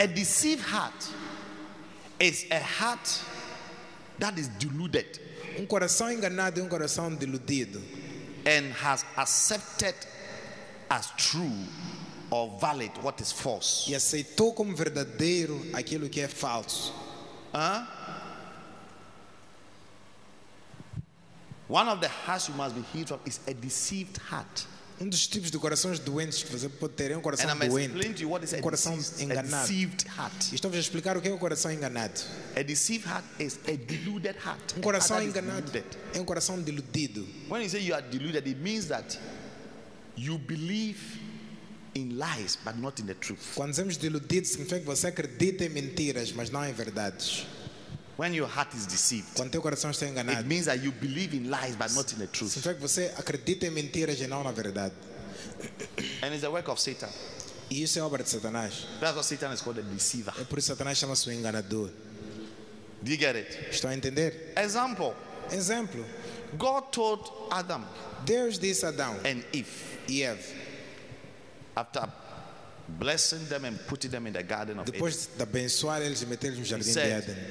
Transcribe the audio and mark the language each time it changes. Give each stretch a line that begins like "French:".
English: A deceived heart is a heart that is deluded.
Portuguese: Um coração enganado é um coração deludido.
English: And has accepted as true or valid what is false.
Portuguese: E aceitou como verdadeiro aquilo que é falso.
English: One of the hearts you must be healed from is a deceived heart.
Portuguese: Um dos tipos de corações doentes que você pode ter é um coração doente. Um coração enganado. Estou-vos a explicar o que é um coração enganado.
English: A deceived heart is a deluded heart.
Portuguese: Um coração enganado é um coração deludido.
English: When you say you are deluded, it means that you believe in lies but not in the truth.
Portuguese: Quando dizemos deludido, significa que você acredita em mentiras, mas não em verdades.
English: When your heart is deceived,
Portuguese: quando teu coração está enganado,
English: it means that you believe in lies but not in the truth.
Portuguese: Significa que você acredita em mentiras e não na verdade.
English: And it's the work of Satan.
Portuguese: E isso é obra de Satanás.
English: That's what Satan is called, a deceiver.
Portuguese: É por isso Satanás chama-se um enganador.
English: Do you get it?
Portuguese: Estão a entender?
English: Example.
Portuguese: Exemplo.
English: God told Adam.
Portuguese: Deus disse a Adão.
English: And Eve.
Portuguese: Eve.
English: After blessing them and putting them in the garden of Eden.
Portuguese: Depois de abençoar eles e meter-lhes no jardim de Eden.